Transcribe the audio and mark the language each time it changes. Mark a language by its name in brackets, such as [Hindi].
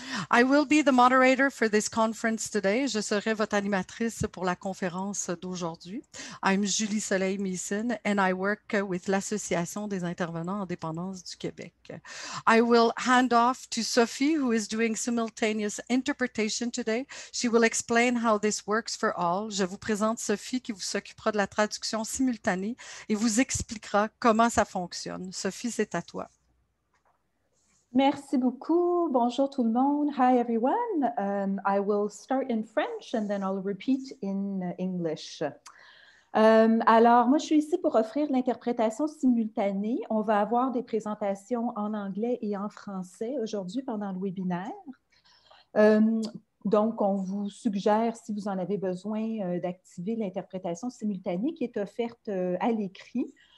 [English] I will be the moderator for this conference today. [French] Je serai votre animatrice pour la conférence d'aujourd'hui. [English] I'm Julie Soleil-Meeson and I work with l'Association des intervenants en dépendance du Québec. I will hand off to Sophie, who is doing simultaneous interpretation today. She will explain how this works for all. [French] Je vous présente Sophie qui vous s'occupera de la traduction simultanée et vous expliquera comment ça fonctionne. Sophie, c'est à toi. Merci beaucoup. Bonjour tout le monde. [English] Hi everyone. I will start in French and then I'll repeat in English. [French] Alors, moi je suis ici pour offrir l'interprétation simultanée. On va avoir des présentations en anglais et en français aujourd'hui pendant le webinaire. Donc, on vous suggère, si vous en avez besoin, d'activer l'interprétation simultanée qui est offerte à l'écrit.